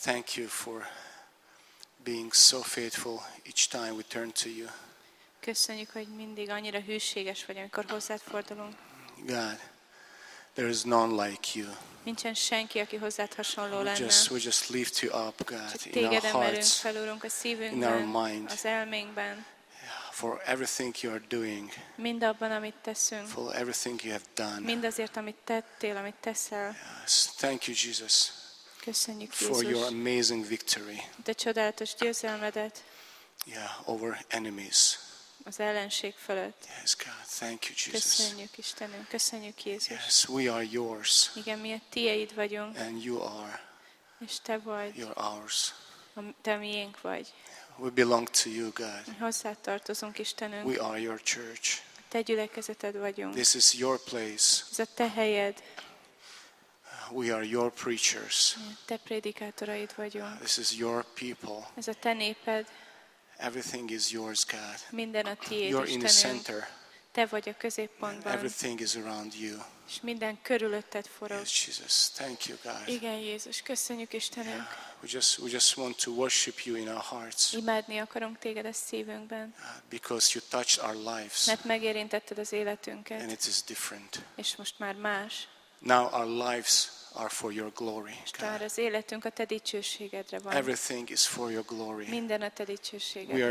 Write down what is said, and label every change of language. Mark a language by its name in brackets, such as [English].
[English] Thank you for being so faithful each time we turn to you. [Hungarian] Köszönjük, hogy mindig annyira hűséges vagy, amikor hozzád fordulunk. [English] God, there is none like you. [Hungarian] Nincsen senki, aki hozzád hasonló lenne. [English] We just lift you up, God, in our hearts, [Hungarian] fel, Urunk, a szívünkben, [English] in our mind, [Hungarian] az elménkben. [English] For everything you are doing. [Hungarian] Mindabban, amit teszünk. [English] For everything you have done. [Hungarian] Mindazért, amit tettél, amit teszel. [English] Yes. Thank you, Jesus. [Hungarian] Köszönjük, Jézus. [English] For your amazing victory. [Hungarian] De csodálatos győzelmedet. [English] Yeah, over enemies. [Hungarian] Az ellenség fölött. [English] Yes, God. Thank you, Jesus. [Hungarian] Köszönjük, Istenem. Köszönjük, Jézus. [English] Yes, we are yours. [Hungarian] Igen, mi a tiéd vagyunk. [English] And you are. [Hungarian] És te vagy. [English] You're ours. [Hungarian] Te miénk vagy. [English] We belong to you, God. [Hungarian] Hozzád tartozunk, Istenünk. [English] We are your church. [Hungarian] Te gyülekezeted vagyunk. [English] This is your place. [Hungarian] Ez a te helyed. [English] We are your preachers. [Hungarian] Te prédikátoraid vagyunk. [English] This is your people. [Hungarian] Ez a te néped. [English] Everything is yours, God. [Hungarian] Minden a tiéd, Istenünk. [English] You're in the center. [Hungarian] Te vagy a középpontban. [English] Everything is around you. [Hungarian] És minden körülötted forog. [English] Yes, Jesus. Thank you, God. [Hungarian] Igen, Jézus. Köszönjük, Istenünk. Yeah. [English] We just want to worship you in our hearts. [Hungarian] Imádni akarunk téged a szívünkben. [English] Because you touched our lives. [Hungarian] Mert megérintetted az életünket. [English] And it is different. [Hungarian] És most már más. [English] Now our lives are for your glory. [Hungarian] Már az életünk a te dicsőségedre van. [English] Everything is for your glory. [Hungarian] Minden a te dicsőségedre van.